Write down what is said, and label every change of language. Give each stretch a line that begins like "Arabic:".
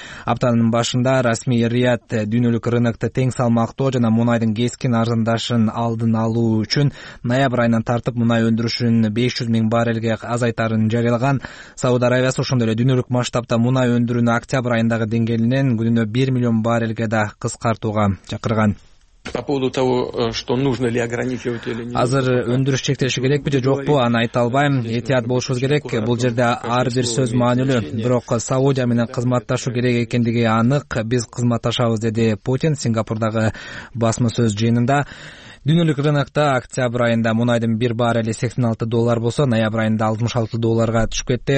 Kyrgyz: Аптанын башында расмий Рият дүйнөлүк рынокту тең салмактоо жана мунайдын кескин арзандашын алдын алуу үчүн ноябрь айынан тартып мунай өндүрүшүн 500,000 баррелге азайтарын жарыялаган. Сауд Арабиясы ошондой эле дүйнөлүк масштабта мунай өндүрүүнү октябрь айындагы деңгээлинен күнүнө 1,000,000 баррелге да кыскартууга чакырган.
Russian: По поводу того, что нужно ли ограничивать или нет.
Kyrgyz: Азыр өндүрүш чектелиши керекпи же жокпу, аны айта албайм. Этият болушубуз керек. Бул жерде ар бир сөз маанилүү, бирок Саудия менен кызматташуу керек экендиги анык. Биз кызматташабыз, деди Путин Сингапурдагы басма сөз жыйынында. Дүйнөлүк рынокто октябрь айында мунайдын бир баррели $86 болсо, ноябрь айында $66 түшүп кетти.